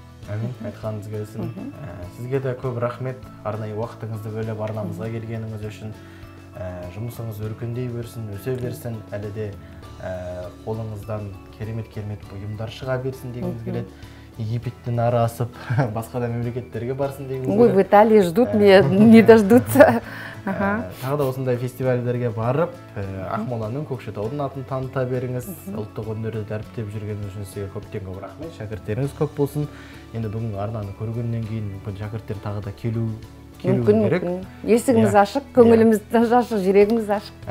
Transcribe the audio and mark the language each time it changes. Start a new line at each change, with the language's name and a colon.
Kazakh: Әмін, айтқаныңыз келсін. Сізге де көп рахмет, арнайы уақытыңызды бөліп арнамызға келгеніңіз үшін. Жұмысыңыз өркендей берсін, өсе берсін, әлі де қолыңыздан керемет-керемет бұйымдар шыға берсін дегіңіз келеді. Египеттен ары асып, басқа да мемлекеттерге барсын дегіңіз келеді.
Russian: Ой, в Италии ждут, не дождутся.
Kazakh: Тағы да осындай фестивальдерге барып, Ақмоланың Көкшетаудың атын таныта беріңіз. Ұлттық өнерді дәріптеп жүрген үшінізге көптен көп рахмет, шәкірттеріңіз көп болсын. Енді бүгін арнаны көргеннен кейін мүмкін шәкірттер тағы да келу керек. Есігіміз ашық, көңіліміз ашық, жүрегіміз ашық.